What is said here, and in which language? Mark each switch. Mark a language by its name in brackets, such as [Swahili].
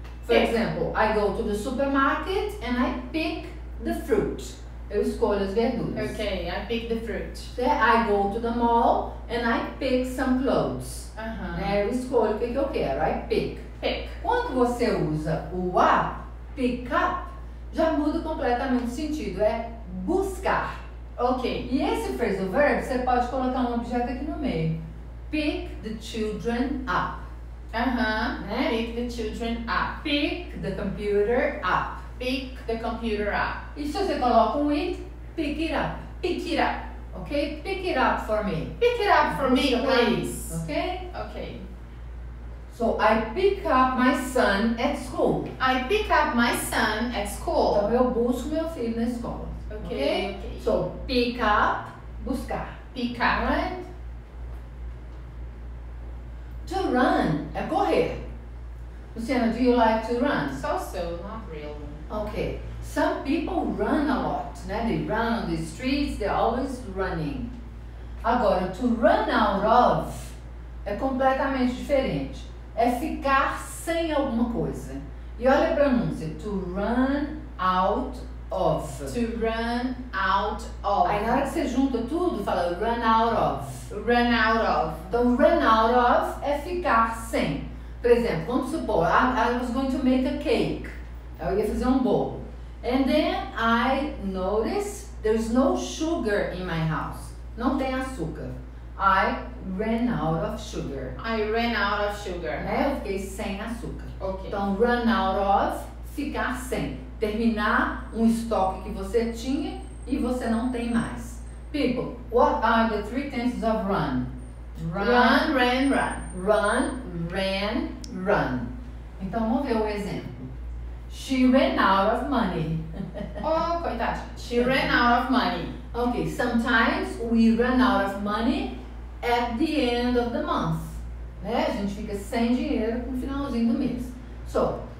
[English] For example, I go to the supermarket and I pick the fruit. [Portuguese] Eu escolho as verduras. [English] Ok, I pick the fruit. I go to the mall and I pick some clothes. Uh-huh. [Portuguese] Eu escolho o que eu quero. [English] I pick. Pick. [Portuguese] Quando você usa o A, pick up, já muda completamente o sentido. É buscar. [English] Ok. [Portuguese] E esse phrasal verb, você pode colocar um objeto aqui no meio. [English] Pick the children up. Uh-huh. [Portuguese] Né? [English] Pick the children up. Pick the computer up. Pick the computer up. [Portuguese] E se você coloca um it, [English] pick it up. Pick it up. Ok? Pick it up for me. Pick it up for me, please. Ok? Ok. So, I pick up my son at school. I pick up my son at school. [Portuguese] Então, eu busco meu filho na escola. [English] Ok? Ok. So, pick up, buscar. Pick up. Right? To run [Portuguese] é correr. [English] Luciana, do you like to run? So-so, not really. Okay, some people run a lot, né? They run on the streets, they're always running. [Portuguese] Agora, to run out of é completamente diferente. É ficar sem alguma coisa. E olha a pronúncia, to run out of. [English] To run out of. [Portuguese] Aí na hora que você junta tudo, fala run out of. [English] Run out of. [Portuguese] Então, run out of é ficar sem. Por exemplo, vamos supor, [English] I was going to make a cake. [Portuguese] Eu ia fazer um bolo. [English] And then I noticed there's no sugar in my house. [Portuguese] Não tem açúcar. [English] I ran out of sugar. I ran out of sugar. [Portuguese] Né? Eu fiquei sem açúcar. [English] Okay. [Portuguese] Então, run out of, ficar sem. Terminar um estoque que você tinha e você não tem mais. [English] People, what are the three tenses of run? Run, ran, run. Run, ran, run. [Portuguese] Então, vamos ver o exemplo. [English] She ran out of money. [Portuguese] Oh, coitada. [English] She ran out of money. Okay, sometimes we run out of money at the end of the month. [Portuguese] Né? A gente fica sem dinheiro no finalzinho do mês. [English] So,